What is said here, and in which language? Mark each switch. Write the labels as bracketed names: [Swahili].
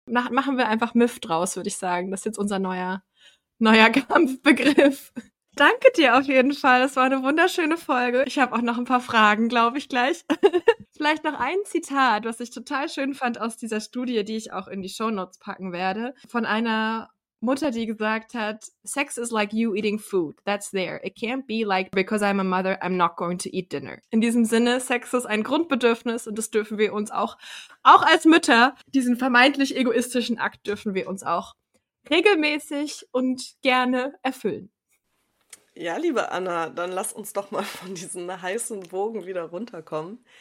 [German] Machen wir einfach MILF draus, würde ich sagen. Das ist jetzt unser neuer Kampfbegriff. Danke dir auf jeden Fall. Das war eine wunderschöne Folge. Ich habe auch noch ein paar Fragen, glaube ich, gleich. Vielleicht noch ein Zitat, was ich total schön fand aus dieser Studie, die ich auch in die Shownotes packen werde. Von einer Mutter, die gesagt hat, [English] Sex is like you eating food. That's there. It can't be like, because I'm a mother, I'm not going to eat dinner. [German] In diesem Sinne, Sex ist ein Grundbedürfnis und das dürfen wir uns auch als Mütter, diesen vermeintlich egoistischen Akt dürfen wir uns auch regelmäßig und gerne erfüllen. Ja, liebe Anna, dann lass uns doch mal von diesem heißen Wogen wieder runterkommen.